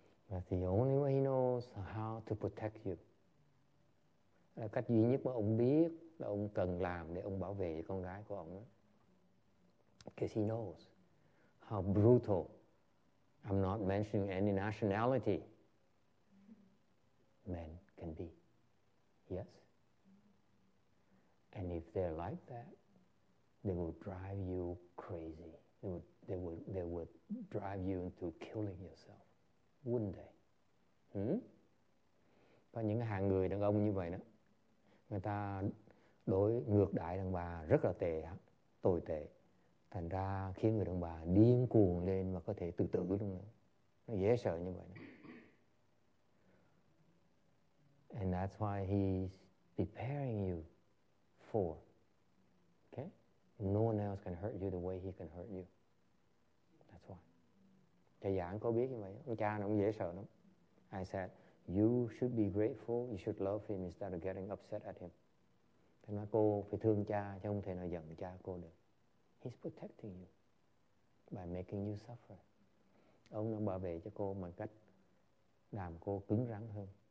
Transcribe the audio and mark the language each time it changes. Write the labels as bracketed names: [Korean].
[English] That's the only way he knows how to protect you. [Vietnamese] Là cách duy nhất mà ông biết là ông cần làm để ông bảo vệ con gái của ông. [English] Because he knows how brutal. I'm not mentioning any nationality. Men can be. Yes? And if they're like that, they will drive you crazy. They would drive you into killing yourself, wouldn't they? [Vietnamese] Và những cái hạng người đàn ông như vậy đó, người ta đối ngược đãi đàn bà rất là tệ, tồi tệ. Thành ra khiến người đàn bà điên cuồng lên và có thể tự tử luôn. Nó dễ sợ như vậy. [English] And that's why he's preparing you for. Okay? No one else can hurt you the way he can hurt you. That's why. [Vietnamese] Thầy giảng có biết như vậy. Ông cha nó cũng dễ sợ lắm. [English] I said, you should be grateful. You should love him instead of getting upset at him. [Vietnamese] Thầy nói cô phải thương cha chứ không thể nào giận cha cô được. [English] He's protecting you by making you suffer. [Vietnamese] Ông đang bảo vệ cho cô bằng cách làm cô cứng rắn hơn.